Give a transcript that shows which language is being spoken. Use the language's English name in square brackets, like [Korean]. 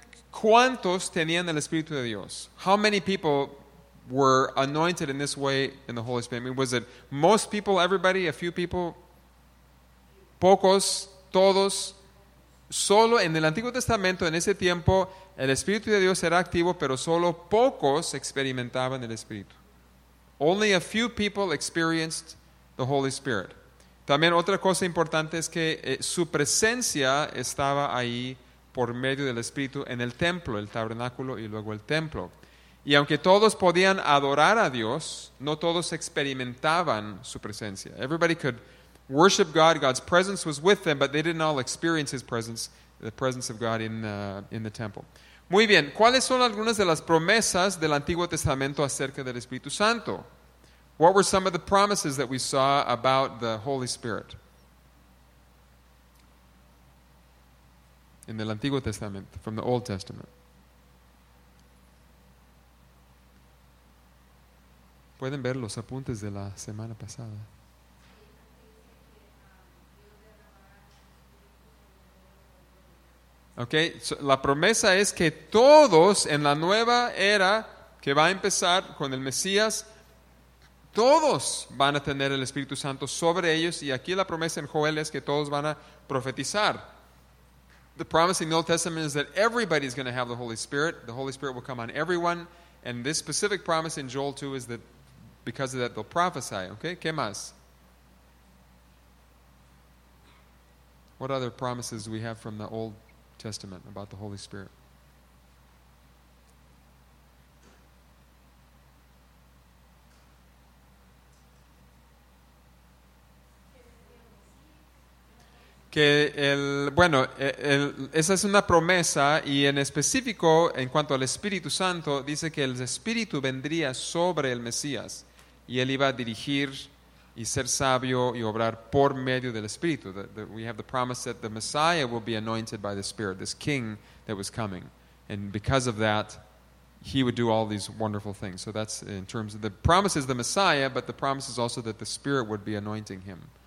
[Spanish] ¿Cuántos tenían el Espíritu de Dios? [English] How many people were anointed in this way in the Holy Spirit? I mean, was it most people, everybody, a few people? [Spanish] Pocos, todos. Solo en el Antiguo Testamento, en ese tiempo, el Espíritu de Dios era activo, pero solo pocos experimentaban el Espíritu. [English] Only a few people experienced the Holy Spirit. [Spanish] También otra cosa importante es que su presencia estaba ahí por medio del Espíritu en el templo, el tabernáculo y luego el templo. Y aunque todos podían adorar a Dios, no todos experimentaban su presencia. [English] Everybody could worship God, God's presence was with them, but they didn't all experience His presence, the presence of God in the temple. [Spanish] Muy bien, ¿cuáles son algunas de las promesas del Antiguo Testamento acerca del Espíritu Santo? [English] What were some of the promises that we saw about the Holy Spirit? In the Antiguo Testament, from the Old Testament. [Spanish] Pueden ver los apuntes de la semana pasada. [English] Okay, so [Spanish] la promesa es que todos en la nueva era que va a empezar con el Mesías, todos van a tener el Espíritu Santo sobre ellos, y aquí la promesa en Joel es que todos van a profetizar. [English] The promise in the Old Testament is that everybody is going to have the Holy Spirit. The Holy Spirit will come on everyone, and this specific promise in Joel 2 is that because of that they'll prophesy. Okay, [Spanish] ¿qué más? [English] What other promises do we have from the Old Testament about the Holy Spirit? [Spanish] Que esa es una promesa, y en específico en cuanto al Espíritu Santo, dice que el Espíritu vendría sobre el Mesías y él iba a dirigir y ser sabio y obrar por medio del Espíritu. [English] We have the promise that the Messiah will be anointed by the Spirit, this king that was coming. And because of that, he would do all these wonderful things. So that's in terms of the promise is the Messiah, but the promise is also that the Spirit would be anointing him.